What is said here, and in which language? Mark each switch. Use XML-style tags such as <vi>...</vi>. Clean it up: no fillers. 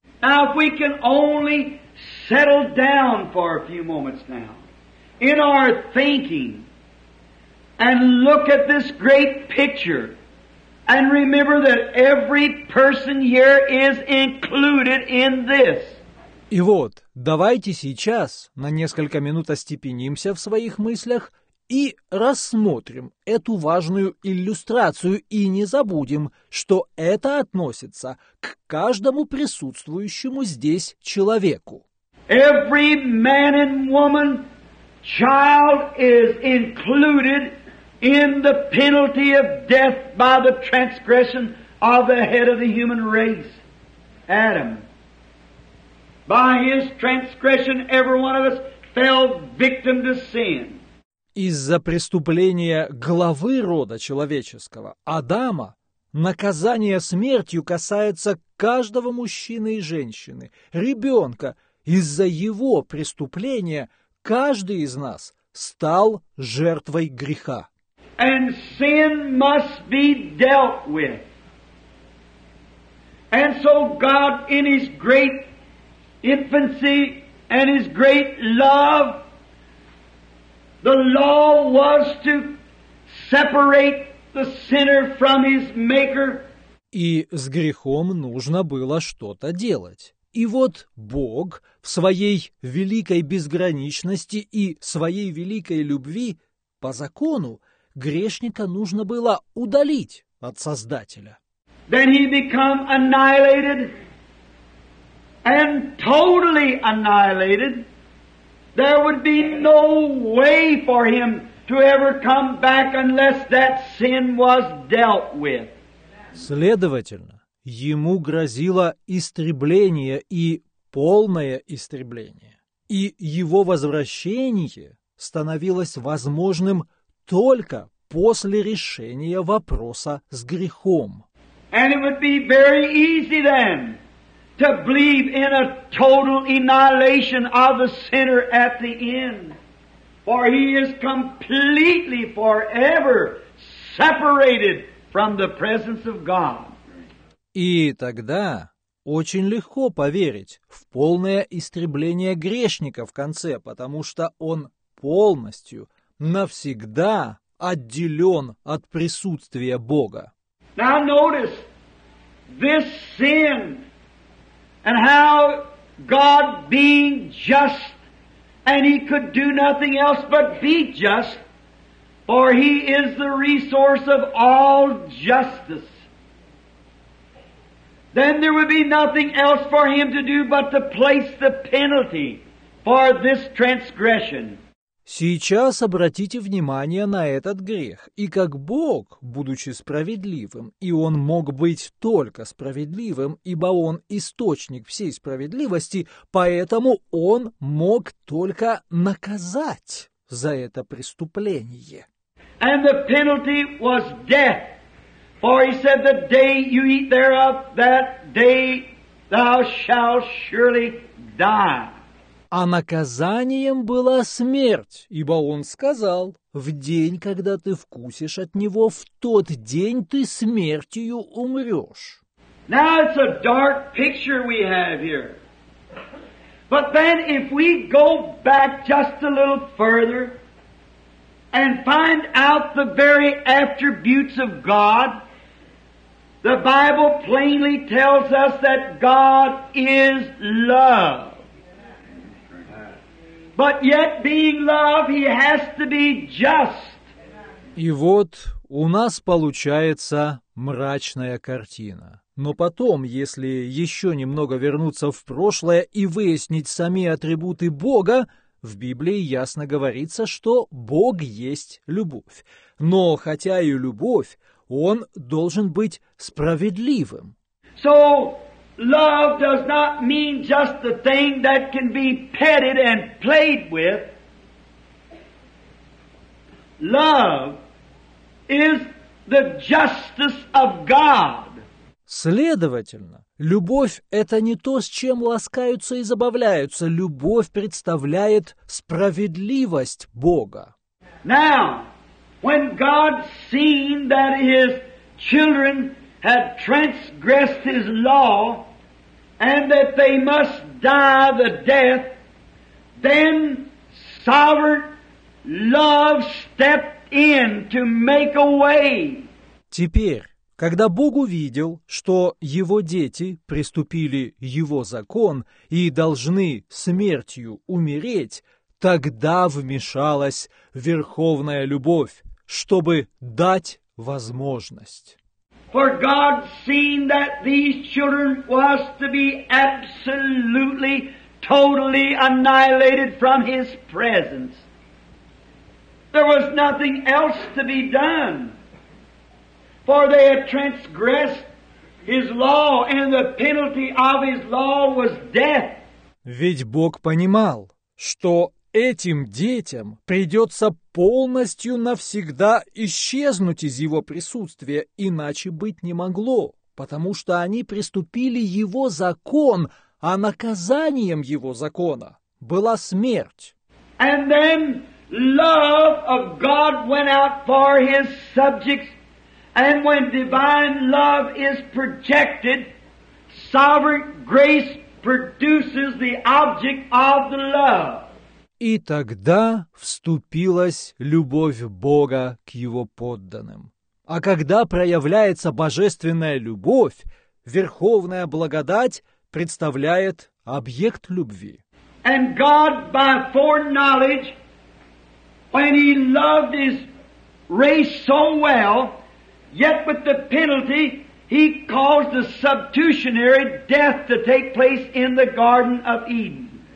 <en>Now, if we can only settle down for a few moments now in our thinking and look at this great picture and remember that every person here is included in this.</en> <ru>И вот, давайте сейчас на несколько минут остепенимся в своих мыслях и рассмотрим эту важную иллюстрацию, и не забудем, что это относится к каждому присутствующему здесь человеку.</ru> <en>Every man and woman, child is included in the penalty of death by the transgression of the head of the human race, Adam. By his transgression, every one of us fell victim to sin.</en> <ru>Из-за преступления главы рода человеческого, Адама, наказание смертью касается каждого мужчины и женщины, ребенка. Из-за его преступления каждый из нас стал жертвой греха.</ru> <en>And sin must be dealt with. And so God in his great infancy and his great love, the law was to separate the sinner from his maker.</en> <ru>И с грехом нужно было что-то делать. И вот Бог в своей великой безграничности и своей великой любви по закону грешника нужно было удалить от Создателя.</ru> <en>Then he became annihilated and totally annihilated. There would be no way for him to ever come back unless that sin was dealt with.</en> <ru>Следовательно, ему грозило истребление и полное истребление. И его возвращение становилось возможным только после решения вопроса с грехом.</ru> <en>And it would be very easy then to believe in a total annihilation of the sinner at the end. For he is completely, forever separated from the presence of God.</en> <ru>И тогда очень легко поверить в полное истребление грешника в конце, потому что он полностью, навсегда отделен от присутствия Бога.</ru> <en>Now notice this sin. And how God, being just, and he could do nothing else but be just, for he is the resource of all justice. Then there would be nothing else for him to do but to place the penalty for this transgression.</en> <ru>Сейчас обратите внимание на этот грех. И как Бог, будучи справедливым, и Он мог быть только справедливым, ибо Он источник всей справедливости, поэтому Он мог только наказать за это преступление.</ru> <en>And the penalty was death. For he said, the day you eat thereof, that day thou shalt surely die.</en> <ru>А наказанием была смерть, ибо он сказал, «В день, когда ты вкусишь от него, в тот день ты смертью умрешь».</ru> <en>Now it's a dark picture we have here. But then if we go back just a little further and find out the very attributes of God, the Bible plainly tells us that God is love. But yet, being love, he has to be just.</en> <ru>И вот у нас получается мрачная картина. Но потом, если еще немного вернуться в прошлое и выяснить сами атрибуты Бога, в Библии ясно говорится, что Бог есть любовь. Но хотя и любовь, он должен быть справедливым.</ru> <en>So, love does not mean just the thing that can be petted and played with. Love is the justice of God.</en> <ru>Следовательно, любовь – это не то, с чем ласкаются и забавляются. Любовь представляет справедливость Бога.</ru> <en>Now, when God seen that His children had transgressed His law and that they must die the death, then sovereign love stepped in to make a way.</en> <ru>Теперь, когда Бог увидел, что Его дети преступили Его закон и должны смертью умереть, тогда вмешалась верховная любовь, чтобы дать возможность.</ru> <en>For God seen that these children was to be absolutely, totally annihilated from His presence. There was nothing else to be done. For they had transgressed His law, and the penalty of His law was death.</en> <ru>Ведь Бог понимал, что этим детям придется полностью навсегда исчезнуть из Его присутствия, иначе быть не могло, потому что они преступили Его закон, а наказанием Его закона была смерть.</ru> <en>And then love of God went out for His subjects. And when divine love is projected, sovereign grace produces the object of the love.</en> <ru>И тогда вступилась любовь Бога к Его подданным. А когда проявляется божественная любовь, верховная благодать представляет объект любви.</ru> <en>And God by foreknowledge, when He loved His race so well, yet with the penalty, He caused the substitutionary death to take place in the Garden of Eden.</en>